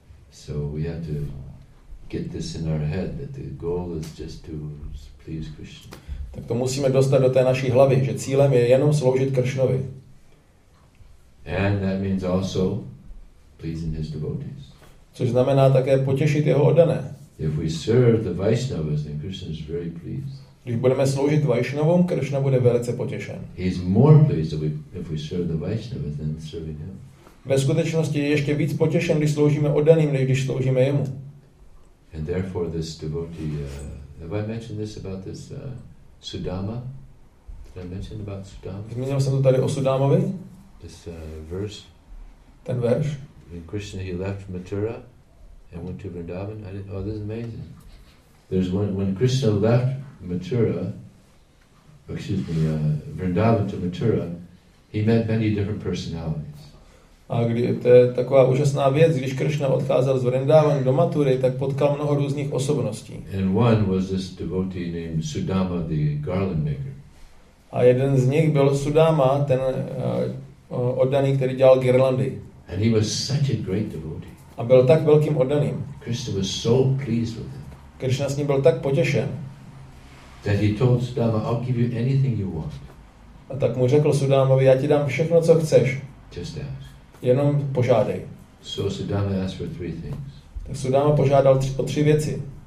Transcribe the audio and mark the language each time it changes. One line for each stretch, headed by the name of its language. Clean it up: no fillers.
English: So we have to get this in our head that the goal is just to please Krishna.
Czech: Tak to musíme dostat do té naší hlavy, že cílem je jenom sloužit Kršnovi.
English: And that means also pleasing his devotees.
Czech: Což znamená také potěšit jeho oddané.
English: If we serve the Vaishnavas, then Krishna is very pleased.
Czech: Když budeme sloužit Vaishnavům, Krishna bude velice potěšen.
English: He is more pleased if we serve the Vaishnavas than serving him.
Czech: Ve skutečnosti je ještě víc potěšen, když sloužíme oddaným, než když sloužíme jemu.
English: And therefore this devotee, have I mentioned this about this Sudama? Did I mention about Sudama?
Czech: Zmínil jsem to tady o Sudámovi.
English: This verse.
Czech: Ten verš.
English: When Krishna, he left Mathura and went to Vrindavan. Oh, this is amazing. There's one, when Krishna left Mathura, Vrindavan to Mathura, he met many different personalities.
Czech: A kdy, to je taková úžasná věc, když Krishna odcházel z Vrindavan do Mathury, tak potkal mnoho různých osobností.
English: And one was this devotee named Sudama, the garland maker.
Czech: A jeden z nich byl Sudama, ten oddaný, který dělal girlandy.
English: And he was such a great devotee.
Czech: A byl tak velkým oddaným.
English: Krishna was so pleased with him.
Czech: Krishna s ním byl tak potěšen.
English: That he told Sudama, I'll give you anything you want.
Czech: A tak mu řekl Sudámovi, já ti dám všechno, co chceš.
English: Just ask.
Czech: Jenom požádej.
English: So Sudama asked for three things.
Czech: Tak Sudama požádal o tři věci.